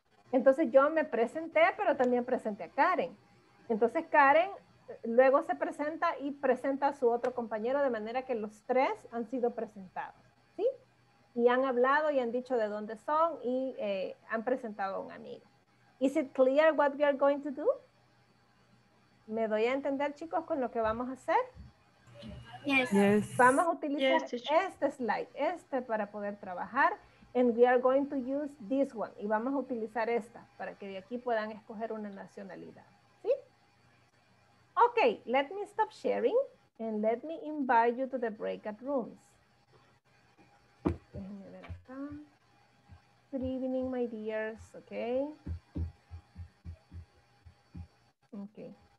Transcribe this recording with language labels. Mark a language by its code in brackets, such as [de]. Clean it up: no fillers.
[es] Entonces yo me presenté, pero también presenté a Karen. Entonces Karen luego se presenta y presenta a su otro compañero, de manera que los tres han sido presentados, ¿sí? Y han hablado y han dicho de dónde son y han presentado a un amigo. [en] Is it clear what we are going to do? [es] ¿Me doy a entender, chicos, con lo que vamos a hacer? [en] Yes. Yes. [es] Vamos a utilizar este slide, este para poder trabajar. [en] And we are going to use this one. [es] Y vamos a utilizar esta para que de aquí puedan escoger una nacionalidad. ¿Sí? [en] Ok, let me stop sharing and let me invite you to the breakout rooms. [es] Déjenme ver acá. [en] Good evening, my dears. Ok. Ok.